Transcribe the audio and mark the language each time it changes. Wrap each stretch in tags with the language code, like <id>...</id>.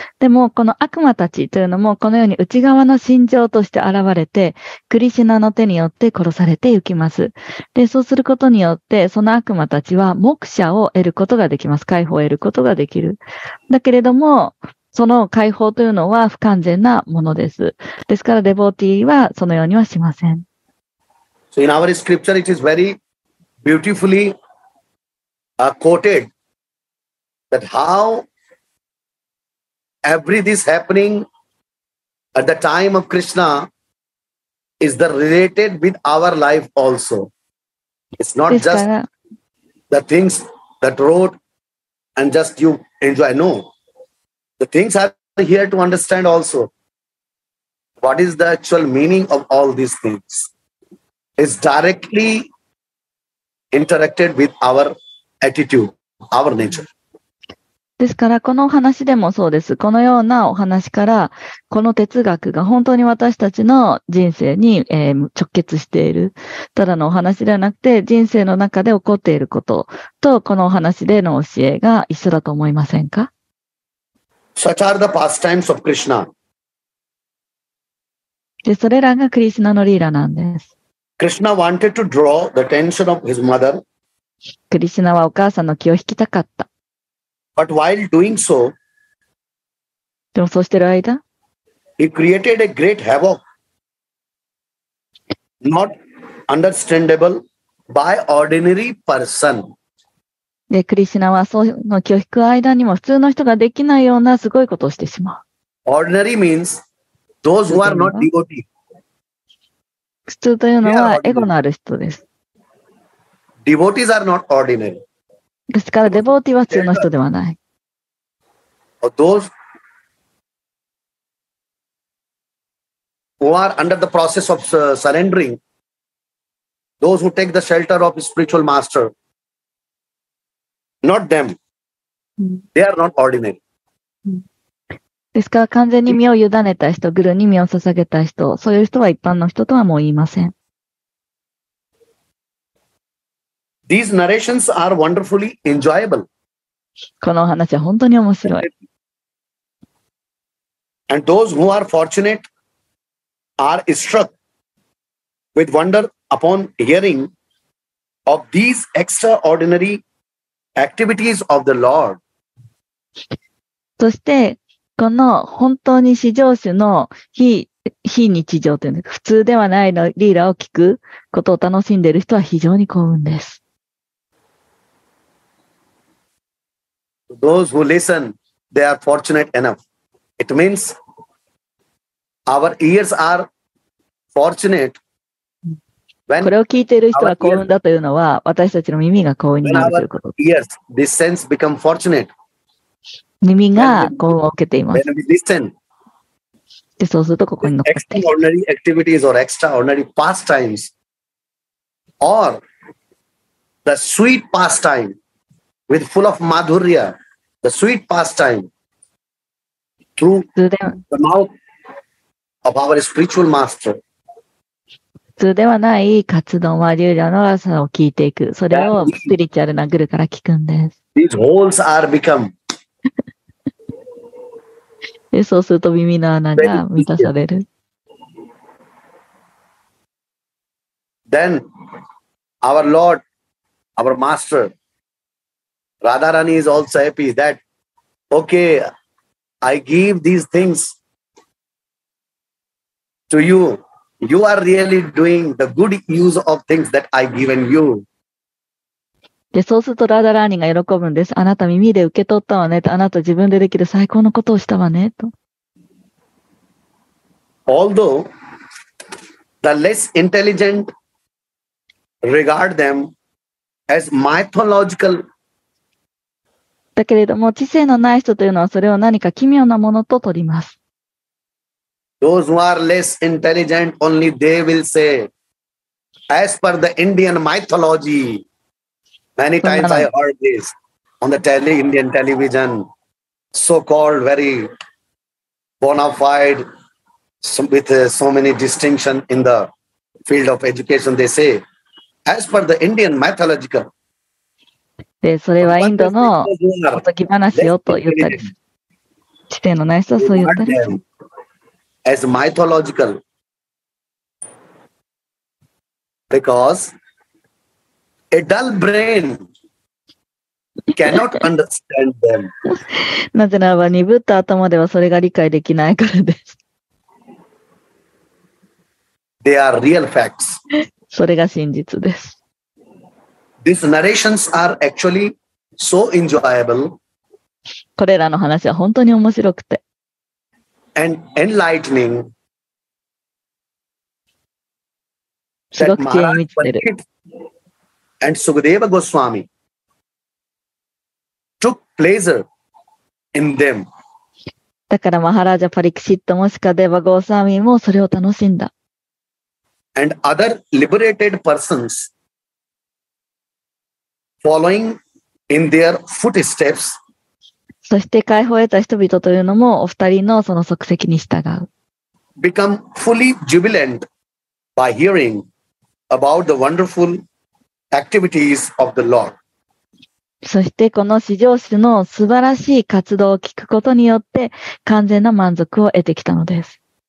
<ja>でも、この悪魔たちというのも、このように内側の心情として現れて、クリシュナの手によって殺されていきます。で、そうすることによって、その悪魔たちは、目者を得ることができます。解放を得ることができる。だけれども、その解放というのは不完全なものです。ですから、デボーティーはそのようにはしません。</ja> <en>So in our scripture, it is very beautifully quoted that how every this happening at the time of Krishna is the related with our life also. It's not just the things that wrote and just you enjoy. No. The things are here to understand also. What is the actual meaning of all these things? It's directly interacted with our attitude, our nature.</en> <ja>ですから、このお話でもそうです。このようなお話から、この哲学が本当に私たちの人生に、直結している。ただのお話ではなくて、人生の中で起こっていることと、このお話での教えが一緒だと思いませんか?</ja> <en>Such are the pastimes of Krishna.</en> <ja>で、それらがクリシュナのリーラなんです。</ja> <en>Krishna wanted to draw the attention of his mother.</en> <ja>クリシュナはお母さんの気を引きたかった。</ja> <en>But while doing so,</en> <ja>でもそうしてる間、</ja> <en>he created a great havoc, not understandable by ordinary person.</en> <ja>で、クリシュナはその気を引く間にも普通の人ができないようなすごいことをしてしまう。</ja> <en>Ordinary means those who are not devotees.</en> <ja>普通というのはエゴのある人です。</ja> <en>Devotees are not ordinary.</en> <ja>ですから、デボーティーは普通の人ではない。</ja> <en>Those who are under the process of surrendering, those who take the shelter of spiritual master,Not them. They are not ordinary.</en> <ja>ですから完全に身を委ねた人、グルに身を捧げた人、そういう人は一般の人とはもう言いません。</ja> <en>These narrations are wonderfully enjoyable.</en> <ja>このお話は本当に面白い。</ja> <en>And those who are fortunate are struck with wonder upon hearing of these extraordinaryActivities of the Lord.</en> <ja>そして、この本当に至上主の非非日常というのか普通ではないのリーラを聞くことを楽しんでいる人は非常に幸運です。</ja> <en>Those who listen, they are fortunate enough. It means our ears are fortunate. When</en> <ja>これを聞いている人は幸運だというのは私たちの耳が幸運になるということ。</ja> <en>When our ears, this sense become fortunate.</en> <ja>耳が幸運を受けています。</ja> <en>When we listen,</en> <ja>でそうするとここに残って</ja> <en>extraordinary activities or extraordinary pastimes or the sweet pastime with full of madhurya, the sweet pastime through the mouth of our spiritual master.</en> <ja>普通ではない活動マデューリャの朝を聞いていく。それをスピリチュアルなグルから聞くんです。</ja> <en>These holes are become.</en> <ja>でそうすると耳の穴が満たされる。</ja> <en>Then our Lord, our Master, Radharani is also happy that okay, I give these things to you. You are really doing the good use of things that I given you.</en> <ja>でそうするとラダラーニが喜ぶんです。あなた耳で受け取ったわねと。あなた自分でできる最高のことをしたわねと。</ja> <en>Although the less intelligent regard them as mythological,</en> <ja>だけれども知性のない人というのはそれを何か奇妙なものと取ります。</ja> <en>Those who are less intelligent only they will say, as per the Indian mythology. Many times I heard this on the tele, Indian television, so-called very bona fide, with so many distinction in the field of education, they say, as per the Indian mythological.</en> <ja>で、それはインドのおとぎ話よと言ったり、知性のない人はそう言ったり。</ja> <en>As mythological. Because,A dull brain cannot understand them.</en> <ja>なぜならば鈍った頭ではそれが理解できないからです。</ja> <en>They are real facts.</en> <ja>それが真実です。</ja> <en>These narrations are actually so enjoyable.</en> <ja>これらの話は本当に面白くて。</ja> <en>And enlightening.</en> <ja>すごく気に入ってる。</ja> <en>And Sukadeva Goswami took pleasure in them.</en> <ja>だからマハラジャパリキシットもシカデバゴスワミもそれを楽しんだ。</ja> <en>And other liberated persons following in their footsteps.</en> <ja>そして解放を得た人々というのもお二人のその足跡に従う。</ja> <en>Become fully jubilant by hearing about the wonderful. Activities of the Lord.</en> <ja>そしてこの至上主の素晴らしい活動を聞くことによって完全な満足を得てきたのです。</ja>